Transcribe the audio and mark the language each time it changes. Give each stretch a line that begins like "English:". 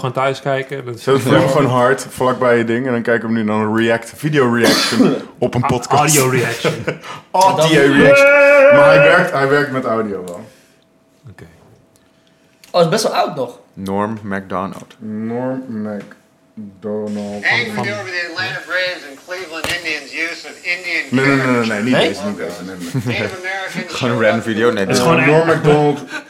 Dutch: Je kan hem ook gewoon thuis kijken. Zet het volume gewoon hard, vlakbij je ding. En dan kijken we nu naar een video reaction op een podcast. Audio reaction. Audio reaction. Maar hij werkt met audio wel. Oké. Oh, het is best wel oud nog. Norm McDonald. Norm McDonald.
English: Angry over the Atlanta Braves and Cleveland Indians' use of Indian characters.
Dutch: No, niet deze. Gewoon een random video. Nee, het is gewoon Norm McDonald.